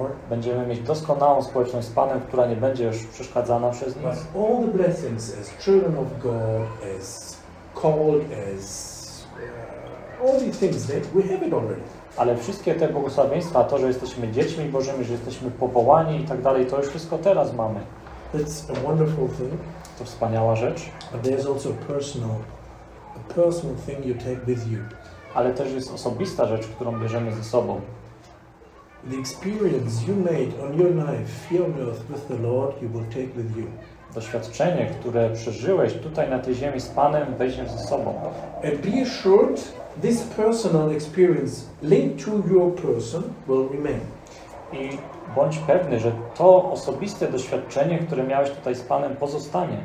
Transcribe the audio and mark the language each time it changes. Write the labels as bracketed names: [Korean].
[Polish] Będziemy mieć doskonałą społeczność z Panem, która nie będzie już przeszkadzana przez nic. [English] All the blessings as children of God, as called, as all these things that we have it already. [Polish] Ale wszystkie te błogosławieństwa, to, że jesteśmy dziećmi Bożymi, że jesteśmy powołani i tak dalej, to już wszystko teraz mamy. [English] That's a wonderful thing. [Polish] To wspaniała rzecz. [English] But there's also a personal thing you take with you. [Polish] Ale też jest osobista rzecz, którą bierzemy ze sobą. [English] The experience you made on your life here on earth with the Lord, you will take with you. [Polish] Doświadczenie, które przeżyłeś tutaj na tej ziemi z Panem, weźmiesz ze sobą. [English] And be assured, this personal experience linked to your person will remain. [Polish] I bądź pewny, że to osobiste doświadczenie, które miałeś tutaj z Panem, pozostanie.